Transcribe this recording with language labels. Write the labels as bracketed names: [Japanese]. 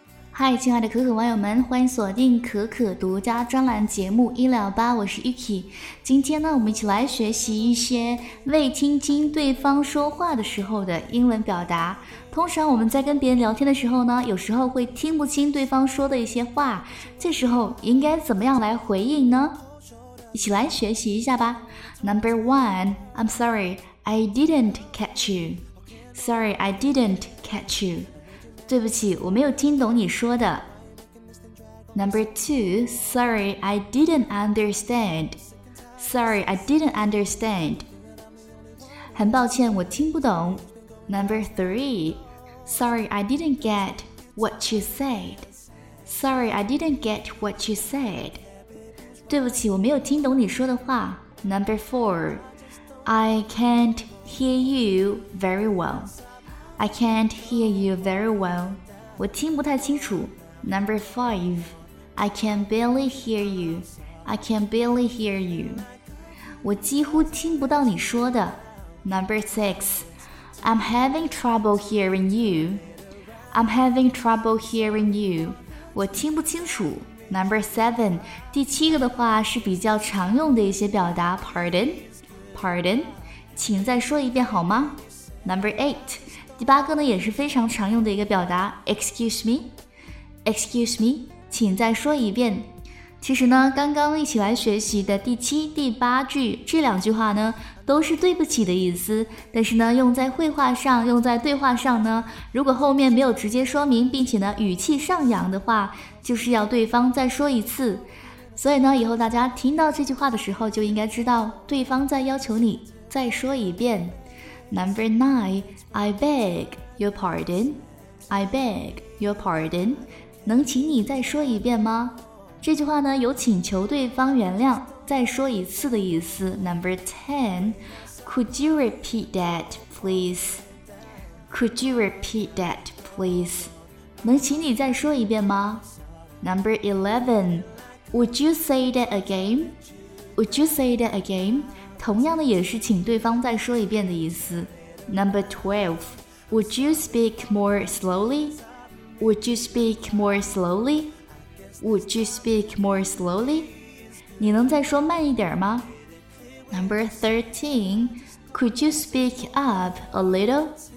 [Chinese] 嗨，亲爱的可可网友们，欢迎锁定可可独家专栏节目168，我是 Yuki。今天呢，我们一起来学习一些未听清对方说话的时候的英文表达。通常我们在跟别人聊天的时候呢，有时候会听不清对方说的一些话，这时候应该怎么样来回应呢？一起来学习一下吧。 [English] Number one, I'm sorry, I didn't catch you. Sorry, I didn't catch you. [Chinese] 对不起，我没有听懂你说的。 [English] Number two, sorry, I didn't understand. Sorry, I didn't understand. [Chinese] 很抱歉，我听不懂。 [English] Number three, sorry, I didn't get what you said. Sorry, I didn't get what you said. [Chinese] 对不起，我没有听懂你说的话。 [English] Number four, I can't hear you very well. I can't hear you very well. [Chinese] 我听不太清楚。 [English] Number five, I can barely hear you. I can barely hear you. [Chinese] 我几乎听不到你说的。 [English] Number six, I'm having trouble hearing you. I'm having trouble hearing you. [Chinese] 我听不清楚。 [English] Number seven, [Chinese] 第七个的话是比较常用的一些表达。 [English] Pardon? Pardon? [Chinese] 请再说一遍好吗？ [English] Number eight, [Chinese] 第八个呢，也是非常常用的一个表达 ， [English] excuse me, excuse me, [Chinese] 请再说一遍。其实呢，刚刚一起来学习的第七、第八句这两句话呢，都是对不起的意思。但是呢，用在会话上，用在对话上呢，如果后面没有直接说明，并且呢语气上扬的话，就是要对方再说一次。所以呢，以后大家听到这句话的时候，就应该知道对方在要求你再说一遍。 [English] Number nine, I beg your pardon. I beg your pardon. [Chinese] 能请你再说一遍吗？这句话呢，有请求对方原谅，再说一次的意思。 [English] Number ten, could you repeat that, please? Could you repeat that, please? [Chinese] 能请你再说一遍吗？ [English] Number eleven, would you say that again? Would you say that again? [Chinese] 同样的也是请对方再说一遍的意思。 [English] Number 12, would you speak more slowly? Would you speak more slowly? Would you speak more slowly? [Chinese] 你能再说慢一点吗？ [English] Number 13, could you speak up a little?